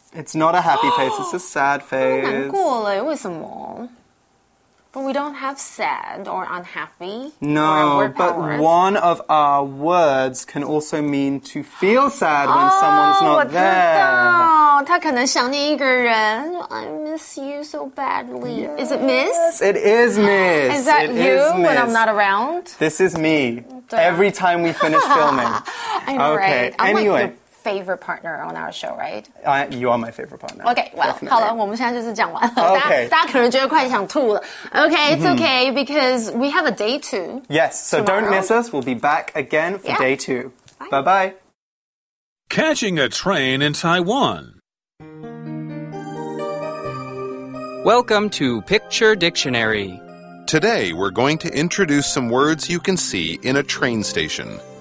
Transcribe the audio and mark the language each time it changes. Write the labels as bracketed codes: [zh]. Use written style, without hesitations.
[en] It's not a happy face, it's a sad face. [zh] 难过了，为什么? [en] But we don't have sad or unhappy. No, or but one of our words can also mean to feel sad when someone's not there. [zh] Oh, 他可能想念一个人. [en] I miss you so badly. Yes. Is it miss? It is miss. Is that it you is miss. When I'm not around? This is me. Every time we finish filming. I'm okay. Right. Anyway. I'm like your favorite partner on our show, right? You are my favorite partner. Okay, well,、 definitely. [zh] 好了，我们现在就是讲完了。 [en] Okay. [zh] 大家可能觉得快想吐了。 [en] Okay, it's、mm-hmm. okay, because we have a day two. Yes, so、 tomorrow. Don't miss us. We'll be back again for day two. Bye. Bye-bye. Catching a train in Taiwan. Welcome to Picture Dictionary. Today, we're going to introduce some words you can see in a train station.